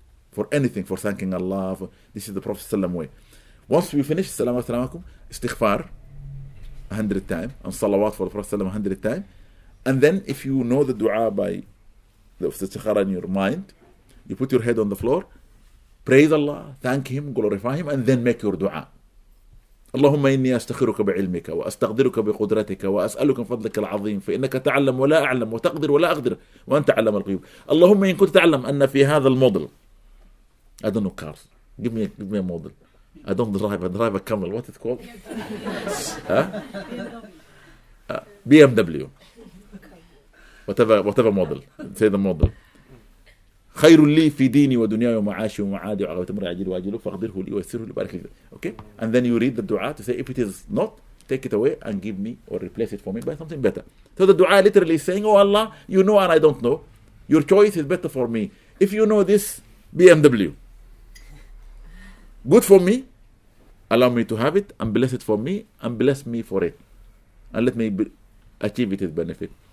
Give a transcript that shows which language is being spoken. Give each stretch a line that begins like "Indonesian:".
English: For anything, for thanking Allah. This is the Prophet ﷺ way. Once we finish, Salaamu Alaikum, Istighfar, 100 times and salawat for the Prophet 100 times, and then if you know the dua by the istikhara in your mind, you put your head on the floor, praise Allah, thank Him, glorify Him, and then make your dua.
Arabic: اللهم إني أستخرك بعلمك وأستقدرك بقدرتك وأسألك فضلك العظيم فإنك تعلم ولا أعلم وتقدر ولا أقدر وأنت علم الغيوب. اللهم إن كنت تعلم أن في هذا الموديل
English: I don't know cars. Give me a model. I don't drive. I drive a camel. What is it called? BMW. Whatever model. Say the model.
Arabic: خير لي في ديني ودنياي ومعاشي ومعادي وعقبة أمري عجل واجل فاقدره لي ويسره لي بارك لي.
English: Okay, and then you read the dua to say if it is not, take it away and give me or replace it for me by something better. So the dua literally is saying, oh Allah, you know and I don't know, your choice is better for me. If you know this BMW good for me, allow me to have it and bless it for me and bless me for it and let me achieve it its benefit.